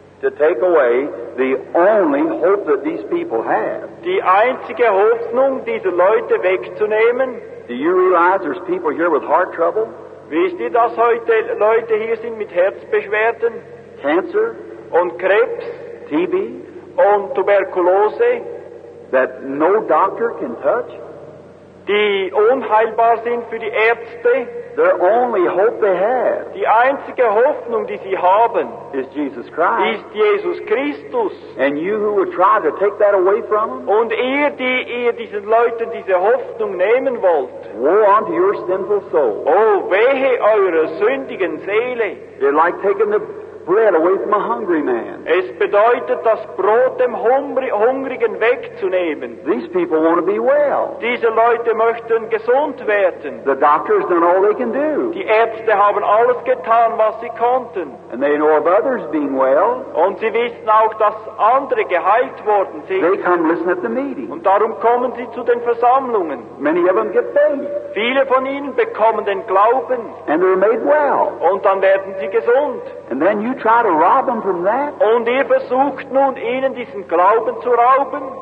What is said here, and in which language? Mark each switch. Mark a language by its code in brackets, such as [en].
[en] To take away the only hope that these people have. [de] Die einzige Hoffnung, diese Leute wegzunehmen. [en] Do you realize there's people here with heart trouble? [de] Wisst ihr, dass heute Leute hier sind mit Herzbeschwerden? [en] Cancer? [de] Und Krebs? [en] TB? [de] Und Tuberkulose? [en] That no doctor can touch? [de] Die unheilbar sind für die Ärzte? [en] Their only hope they have. [de] Die einzige Hoffnung, die sie haben, [en] is Jesus Christ. [de] Ist Jesus Christus. [en] And you who would try to take that away from them? [de] Und ihr, die ihr diesen Leuten diese Hoffnung nehmen wollt. [en] Woe unto your sinful soul. [de] Oh, wehe eurer sündigen Seele. [en] You're like taking the bread away from a hungry man. [de] Es bedeutet, das Brot dem Hungrigen wegzunehmen. [en] These people want to be well. [de] Diese Leute möchten gesund werden. [en] The doctors done all they can do. [de] Die Ärzte haben alles getan, was sie konnten. [en] And they know of others being well. [de] Und sie wissen auch, dass andere geheilt worden sind. [en] They come listen at the meeting. [de] Und darum kommen sie zu den Versammlungen. [en] Many of them get faith. [de] Viele von ihnen bekommen den Glauben. [en] And they're made well. [de] Und dann werden sie gesund. [en] And then you try to rob them from that? [de] Und ihr versucht nun, ihnen diesen Glauben zu rauben?